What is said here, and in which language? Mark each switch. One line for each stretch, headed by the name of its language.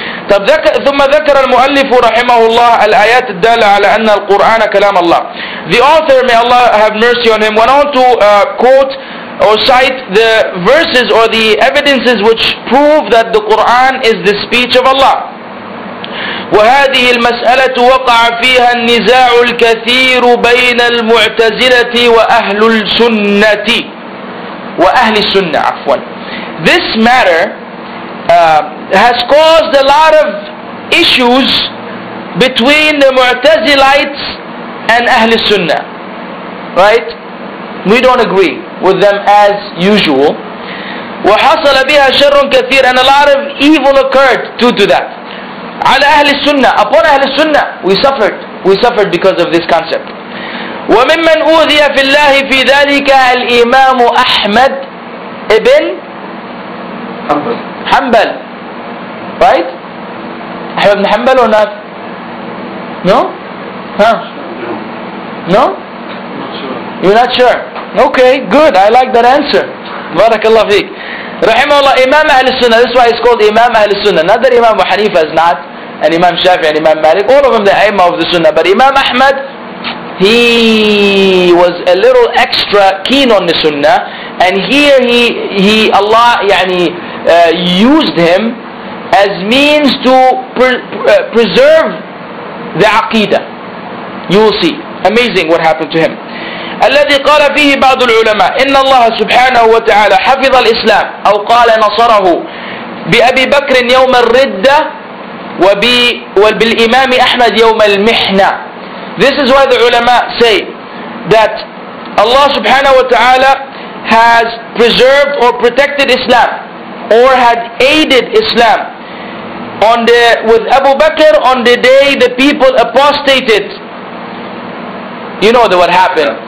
Arabic: ثم ذكر المؤلف رحمه الله الآيات الدالة على أن القرآن كلام الله.
English: The author, may Allah have mercy on him, went on to quote or cite the verses or the evidences which prove that the Quran is the speech of Allah.
Arabic: وهذه المسألة وقع فيها النزاع الكثير بين المعتزلة وأهل السنة وأهل السنة عفوا.
English: This matter has caused a lot of issues between the Mu'tazilites and Ahl Sunnah, right? We don't agree with them as usual.
Arabic: وحصل بها شر كثير,
English: and a lot of evil occurred due to that.
Arabic: على أهل السنة,
English: upon أهل السنة, we suffered because of this concept.
Arabic: وممن أوذي في الله في ذلك الإمام أحمد ابن حنبل, right? أحمد بن حنبل or not?
English: No? Huh? No? You're not sure? Okay, good. I like that answer.
Arabic: بارك الله فيك. رحمه الله إمام أهل السنة.
English: This is why it's called إمام أهل السنة. Not that Imam Abu Hanifa is not, and Imam Shafi'i and Imam Malik. All of them the imam of the سنة. But Imam Ahmad, he was a little extra keen on the سنة. And here he Allah يعني used him as means to preserve the عقيدة. You will see. Amazing what happened to him.
Arabic: الذي قال فيه بعض العلماء إن الله سبحانه وتعالى حفظ الإسلام أو قال نصره بأبي بكر يوم الردة وبالإمام أحمد يوم المحنة.
English: This is why the ulama say that Allah سبحانه وتعالى has preserved or protected Islam or had aided Islam on the with Abu Bakr on the day the people apostated. You know what happened.